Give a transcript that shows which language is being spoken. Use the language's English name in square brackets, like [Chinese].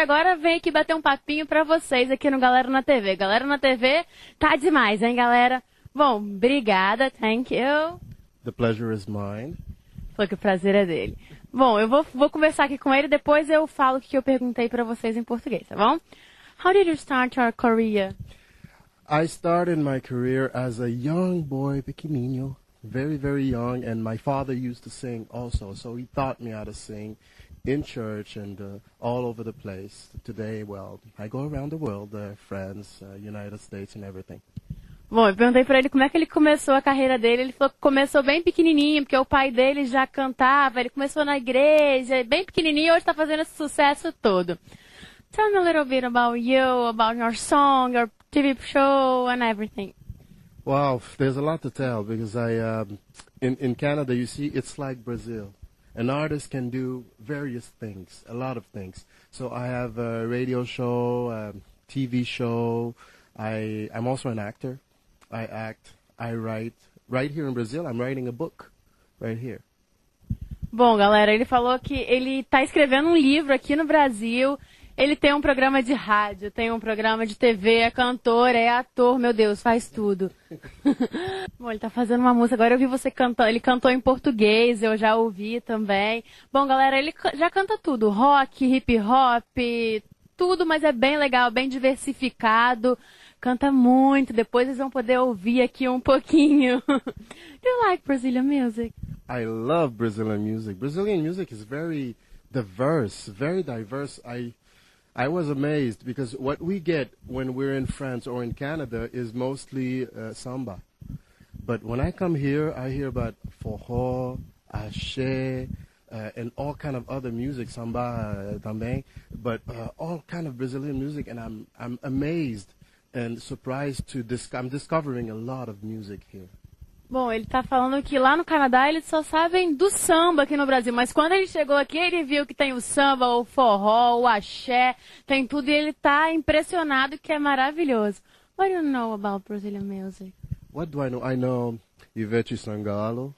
[Portuguese] Agora vem aqui bater um papinho para vocês aqui no Galera na TV. Galera na TV tá demais, hein, galera? Bom, obrigada. [English] Thank you. The pleasure is mine. [Portuguese] Foi que o prazer é dele. Bom, eu vou conversar aqui com ele. Depois eu falo o que eu perguntei para vocês em português, tá bom? [English] How did you start your career? I started my career as a young boy, [Portuguese] pequenininho, [English] very, very young, and my father used to sing also, so he taught me how to sing in church and all over the place. Today, well, I go around the world, France, United States and everything. [Portuguese] Bom, eu perguntei pra ele como é que ele começou a carreira dele, ele falou que começou bem pequenininho, porque o pai dele já cantava, ele começou na igreja, bem pequenininho, hoje tá fazendo esse sucesso todo. [English] Tell me a little bit about you, about your song, your TV show and everything. Well, there's a lot to tell because I, in Canada, you see, it's like Brazil. An artist can do various things, a lot of things. So I have a radio show, a TV show. I'm also an actor. I act, I write. Right here in Brazil, I'm writing a book right here. [Portuguese] Bom, galera, ele falou que ele tá escrevendo livro aqui no Brasil. Ele tem um programa de rádio, tem um programa de TV, é cantor, é ator, meu Deus, faz tudo. Bom, ele tá fazendo uma música, agora eu vi você cantando, ele cantou em português, eu já ouvi também. Bom, galera, ele já canta tudo, rock, hip hop, tudo, mas é bem legal, bem diversificado. Canta muito, depois vocês vão poder ouvir aqui um pouquinho. [English] Do you like Brazilian music? I love Brazilian music. Brazilian music is very diverse, very diverse. I was amazed because what we get when we're in France or in Canada is mostly samba. But when I come here, I hear about forró, axé, and all kind of other music, samba [Portuguese] também, [English] but all kind of Brazilian music, and I'm amazed and surprised to discovering a lot of music here. [Portuguese] Bom, ele tá falando que lá no Canadá eles só sabem do samba aqui no Brasil, mas quando ele chegou aqui ele viu que tem o samba, o forró, o axé, tem tudo e ele tá impressionado que é maravilhoso. [English] What do you know about Brazilian music? What do I know? I know Ivete Sangalo.